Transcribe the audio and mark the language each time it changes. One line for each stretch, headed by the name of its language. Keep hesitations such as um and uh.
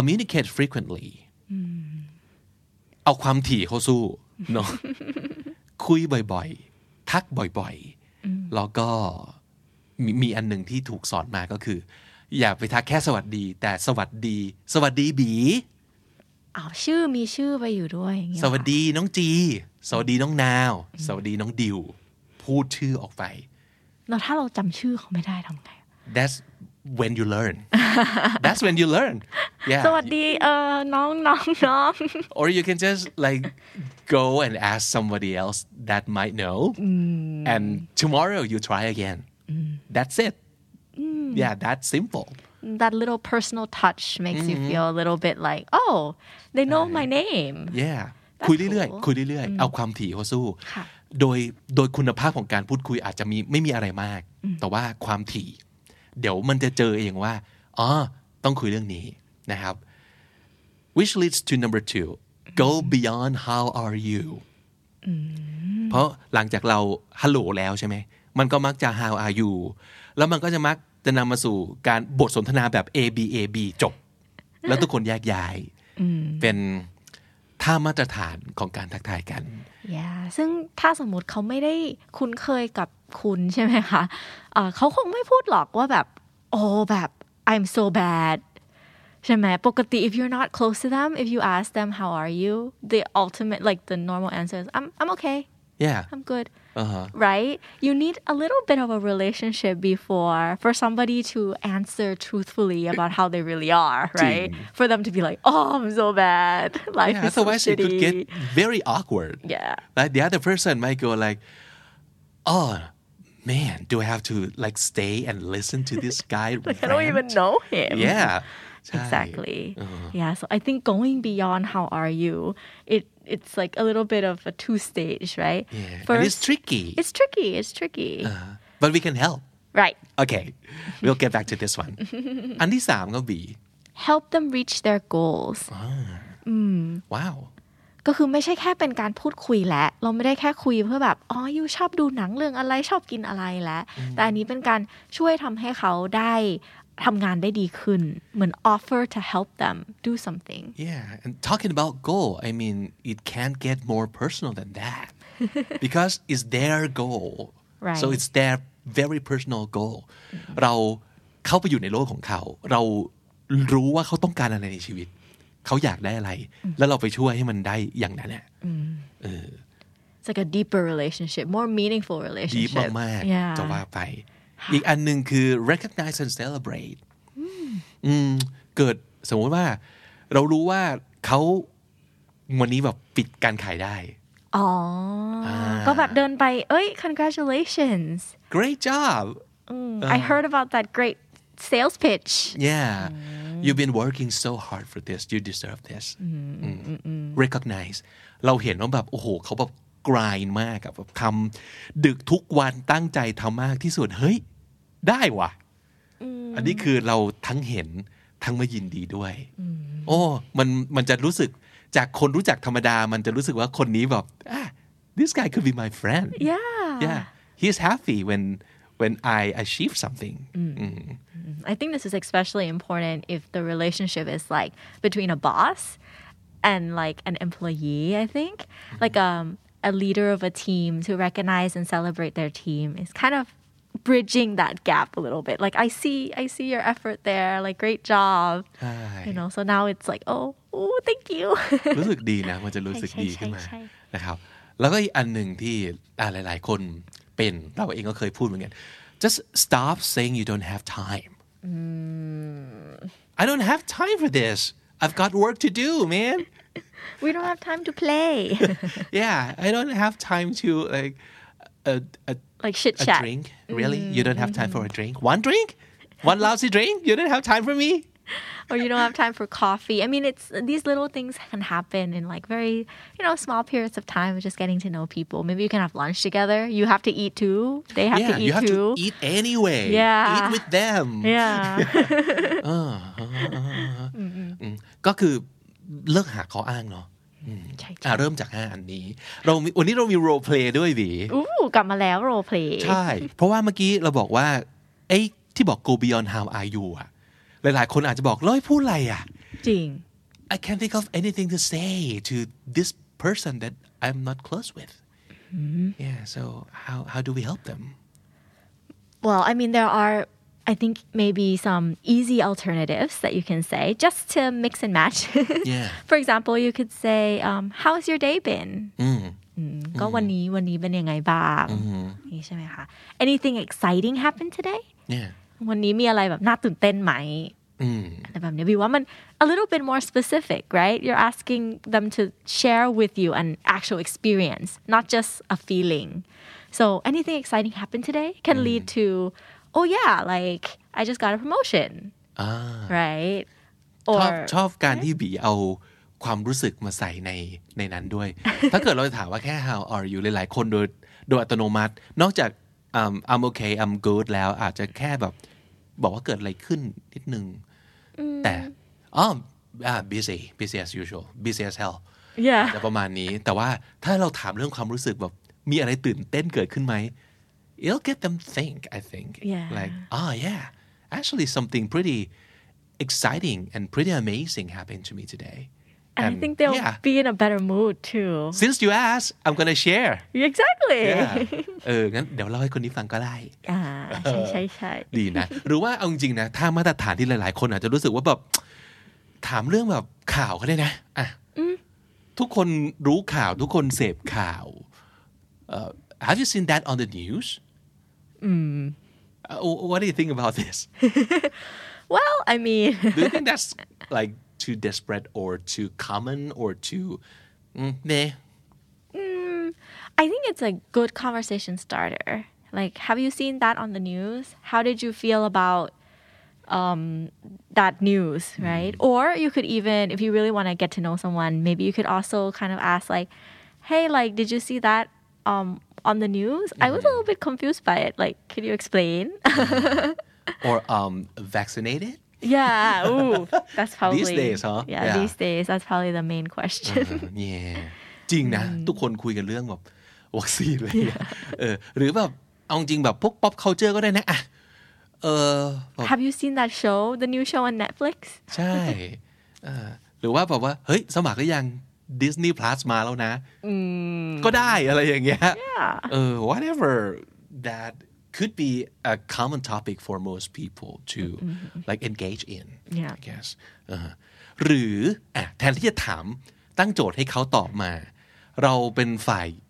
English: communicate frequently
Thai: เอาความถี่เข้าสู้เนาะ คุยบ่อยๆ ทักบ่อยๆ แล้วก็มมีอันหนึ่งที่ถูกสอนมาก็คือ อย่าไปทักแค่สวัสดี แต่สวัสดี สวัสดีบี อ้าวชื่อมีชื่อไปอยู่ด้วยอย่างเงี้ย สวัสดีน้องจี สวัสดีน้องนาว สวัสดีน้องดิว พูดชื่อออกไป แล้วถ้าเราจำชื่อเขาไม่ได้ทำไง
English: that's when you learn that's when you learn yeah
Thai: สวัสดีเออน้องน้องน้อง
English: or you can just like go and ask somebody else that might know and tomorrow you try again that's it yeah that's simple that little personal touch makes you feel a little bit like oh they know my name
Thai: yeah คุยเรื่อยๆ คุยเรื่อยๆ เอาความถี่เข้าสู้ ค่ะ โดยโดยคุณภาพของการพูดคุยอาจจะมีไม่มีอะไรมาก แต่ว่าความถี่ เดี๋ยวมันจะเจอเองว่า อ๋อ ต้องคุยเรื่องนี้นะครับ
English: which leads to number two go beyond how are you
Thai: เพราะหลังจากเราฮัลโหลแล้วใช่ไหม มันก็มักจะ
English: how are you
Thai: แล้วมันก็จะมักจะนำมาสู่การบทสนทนาแบบ A B A B จบ แล้วทุกคนแยกย้าย เป็นท่ามาตรฐานของการทักทายกัน
English: yeah
Thai: ซึ่งถ้าสมมติเขาไม่ได้คุ้นเคยกับคุณใช่ไหมคะเอ่อเขาคงไม่พูดหรอกว่าแบบ
English: oh แบบ I'm so bad
Thai: ใช่ไหมปกติ
English: if you're not close to them if you ask them how are you the ultimate like the normal answer is I'm I'm okay yeah I'm good อ่าฮะ right? You need a little bit of a relationship before for somebody to answer truthfully about how they really are, right? For them to be like, "Oh, I'm so bad. Life Yeah, is so otherwise it could shitty." get very awkward. Yeah. Like the other person might go like, "Oh man, do I have to like stay and listen to this guy?" Like I don't rant?" even know him. Yeah. ใช่ Exactly. Yeah. So I think going beyond how are you, it it's like a little bit of a two stage, right? Yeah. And it's First, tricky, it's tricky. It's tricky. but we can help. Right. Okay, we'll get back to this one.
Thai: อันที่สามก็ B.
English: Help them reach their goals. Wow.
Thai: ก็คือไม่ใช่แค่เป็นการพูดคุยแหละ เราไม่ได้แค่คุยเพื่อแบบ อ๋อ ยูชอบดูหนังเรื่องอะไรชอบกินอะไรแหละ แต่อันนี้เป็นการช่วยทำให้เขาได้ทำงานได้ดีขึ้น เหมือน
English: offer to help them do something Yeah, and talking about goal, I mean, it can't get more personal than that because it's their goal. Right. So it's their very personal goal.
Thai: เราเข้าไปอยู่ในโลกของเขา เรารู้ว่าเขาต้องการอะไรในชีวิต เขาอยากได้อะไร แล้วเราไปช่วยให้มันได้อย่างนั้นแหละ
English: it's like a deeper relationship, more meaningful
Thai: ดี
English: relationship.
Thai: มาก
English: yeah.
Thai: ๆ จะว่าไป อีกอันหนึ่งคือ
English: recognize and celebrate
Thai: อืมเกิดสมมติว่า เรารู้ว่าเขาวันนี้แบบปิดการขายได้ อ๋ออก็แบบเดินไปเอ้ย congratulations
English: great job I heard about that great sales pitch yeah you've been working so hard for this you deserve this
Thai: อืม recognize เราเห็นว่าแบบ โอ้โห เขาแบบกรายมากอะแบบทำดึกทุกวันตั้งใจทำมากที่สุด เฮ้ย ได้ว่ะ อันนี้คือเราทั้งเห็นทั้งมายินดีด้วย โอ้ มันมันจะรู้สึกจากคนรู้จักธรรมดา มันจะรู้สึกว่าคนนี้แบบอ่ะ
English: this guy could be my friend yeah yeah he's happy when when I achieve something I think this is especially important if the relationship is like between a boss and like an employee, I think. Like um, a leader of a team to recognize and celebrate their team is kind of bridging that gap a little bit. Like I see I see your effort there, like great job.
Thai: ใช่
English: You know, so now it's like, oh, oh thank you.
Thai: รู้สึกดีนะ มันจะรู้สึกดีขึ้นมา ใช่ใช่ นะครับ แล้วก็อีกอันหนึ่งที่อ่ะหลาย ๆ คนเป็นเราเองก็เคยพูดเหมือนกัน
English: just stop saying you don't have time I don't have time for this I've got work to do man we don't have time to play. yeah I don't have time to like a a, like chit a chat. drink really you don't have time for a drink one drink one lousy drink you don't have time for me or you don't have time for coffee. I mean, it's these little things can happen in like very, you know, small periods of time of just getting to know people. Maybe you can have lunch together. You have to eat too. They have yeah to you eat have to too. eat anyway Yeah. eat with them Yeah.
Thai: อืมก็คือเลิกหาข้ออ้างเนาะ อ่ะ เริ่มจากห้าอันนี้ เรามีวันนี้เรามีโรลเพลย์ด้วยบี Ooh, กลับมาแล้ว role play ใช่ เพราะว่าเมื่อกี้เราบอกว่าไอ้ที่บอก
English: go beyond how are you
Thai: อะหลายๆ คนอาจจะบอกเล้ยพูดอะไรอะ จริง
English: I can't think of anything to say to this person that I'm not close with yeah so how how do we help them Well, I mean, there are, I think, maybe some easy alternatives that you can say just to mix and match. Yeah. For example, you could say, um, How's your day been?
Thai: อืมก็วันนี้วันนี้เป็นยังไงบ้างนี่ใช่ไหมคะ
English: Anything exciting happened today? yeah
Thai: วันนี้มีอะไรแบบน่าตื่นเต้นไหม อืม อะไรแบบนี้วิวว่ามัน
English: a little bit more specific right you're asking them to share with you an actual experience not just a feeling so anything exciting happened today can lead to oh yeah like I just got a promotion right ช or
Thai: อบชอบการที่บีเอาความรู้สึกมาใส่ในในนั้นด้วย ถ้าเกิดเราจะถามว่าแค่ how are you หลายๆคนโดยโดยอัตโนมัติ นอกจากอืม
English: I'm okay I'm good
Thai: แล้วอาจจะแค่แบบ บอกว่าเกิดอะไรขึ้นนิดนึง แต่อ๋ออ่า
English: busy busy as usual busy as hell yeah
Thai: แต่ประมาณนี้ แต่ว่าถ้าเราถามเรื่องความรู้สึกแบบ มีอะไรตื่นเต้นเกิดขึ้นไหม
English: it'll get them think I think Yeah. like oh yeah actually something pretty exciting and pretty amazing happened to me today and I think they'll yeah be in a better mood too since you asked I'm gonna share exactly
Thai: yeah เออ งั้นเดี๋ยวเล่าให้คนนี้ฟังก็ได้ อ่าใช่ใช่ใช่ ดีนะ หรือว่าเอาจริงๆนะ ถ้ามาตรฐานที่หลายๆ คนอาจจะรู้สึกว่าแบบ ถามเรื่องแบบข่าวก็ได้นะอ่ะทุกคนรู้ข่าว ทุกคนเสพข่าวเอ่อ
English: Have you seen that on the news
Thai: อืม
English: What do you think about this well I mean Do you think that's like too desperate or too common or too อืมเน่ I think it's a good conversation starter. Like, have you seen that on the news? How did you feel about um, that news, right? Or you could even, if you really want to get to know someone, maybe you could also kind of ask, like, hey, like, did you see that um, on the news? I was a little bit confused by it. Like, could you explain? or um vaccinated yeah, ooh, that's probably days, huh? Yeah, Yeah. these days, that's probably the main question.
Thai: เนี่ยจริงนะ ทุกคนคุยกันเรื่องแบบวัคซีนอะไรอย่างเงี้ยเออหรือแบบเอาจริงแบบพวก pop culture ก็ได้นะอ่ะเออแบบ
English: have you seen that show, the new show on Netflix?
Thai: ใช่เออหรือว่าแบบว่า เฮ้ย สมัครก็ยัง Disney Plus มาแล้วนะก็ได้อะไรอย่างเงี้ยเออ
English: whatever that could be a common topic for most people to like engage in Yeah. I guess
Thai: เออหรืออ่ะแทนที่จะถามตั้งโจทย์ให้เขาตอบมา เราเป็นฝ่าย